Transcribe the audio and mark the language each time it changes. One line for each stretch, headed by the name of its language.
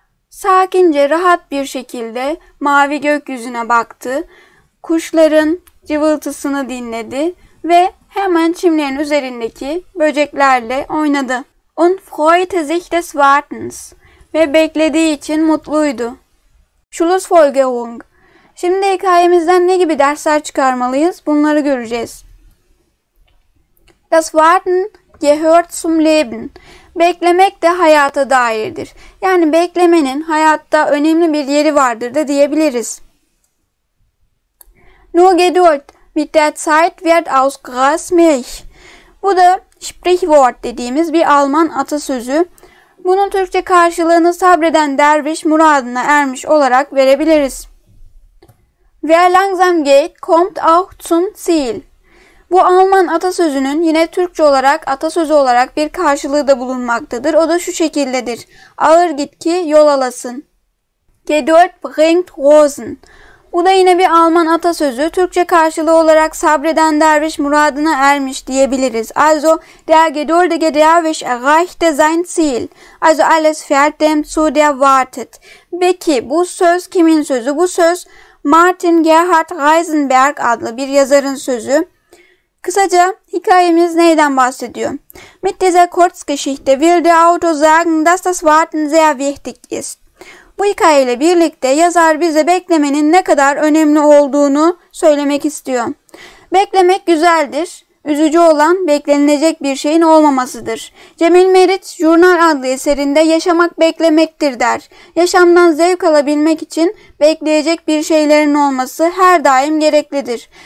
Turkish: Sakince, rahat bir şekilde mavi gökyüzüne baktı, kuşların cıvıltısını dinledi ve hemen çimlerin üzerindeki böceklerle oynadı.
German: Und freute sich des Wartens.
Turkish: Ve beklediği için mutluydu.
German: Schlussfolgerung.
Turkish: Şimdi hikayemizden ne gibi dersler çıkarmalıyız? Bunları göreceğiz.
German: Das Warten gehört zum Leben.
Turkish: Beklemek de hayata dairdir. Yani beklemenin hayatta önemli bir yeri vardır da diyebiliriz.
German: Nur Geduld mit der Zeit wird aus Gras Milch.
Turkish: Bu da Sprichwort dediğimiz bir Alman atasözü. Bunun Türkçe karşılığını sabreden derviş muradına ermiş olarak verebiliriz.
German: Wer langsam geht, kommt auch zum Ziel.
Turkish: Bu Alman atasözünün yine Türkçe olarak, atasözü olarak bir karşılığı da bulunmaktadır. O da şu şekildedir. Ağır git ki yol alasın.
German: Geduld bringt Rosen.
Turkish: Bu da yine bir Alman atasözü. Türkçe karşılığı olarak sabreden derviş muradına ermiş diyebiliriz.
German: Also der geduldige Derwisch erreichte sein Ziel. Also alles fährt dem zu, der wartet.
Turkish: Peki bu söz kimin sözü? Bu söz Martin Gerhard Reisenberg adlı bir yazarın sözü. Kısaca hikayemiz neyden bahsediyor?
German: Mit dieser Kurzgeschichte will der Autor sagen, dass das Warten sehr wichtig ist.
Turkish: Bu hikayeyle birlikte yazar bize beklemenin ne kadar önemli olduğunu söylemek istiyor. Beklemek güzeldir. Üzücü olan beklenilecek bir şeyin olmamasıdır. Cemil Meriç, Jurnal adlı eserinde yaşamak beklemektir der. Yaşamdan zevk alabilmek için bekleyecek bir şeylerin olması her daim gereklidir.